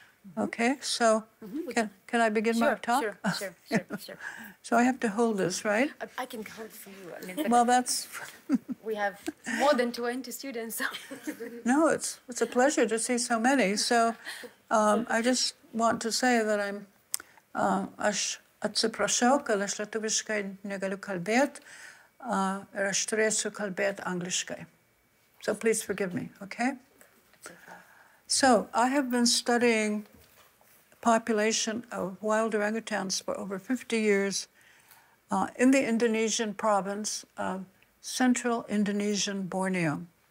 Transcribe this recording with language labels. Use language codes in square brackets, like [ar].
[en] Mm-hmm. Okay, so mm-hmm. can I begin sure, my talk? Sure, sure. So I have to hold this, right? I can count for you. Well, that's... We have more than 20 students. No, it's a pleasure to see so many. So I just want to say that I'm... [lt] aš atsiprašau, kad aš lietuviškai negaliu kalbėti, ir aš turėsiu kalbėti angliškai. [en] So please forgive me, okay? So I have been studying population of wild orangutans for over 50 years in the Indonesian province of central Indonesian Borneo.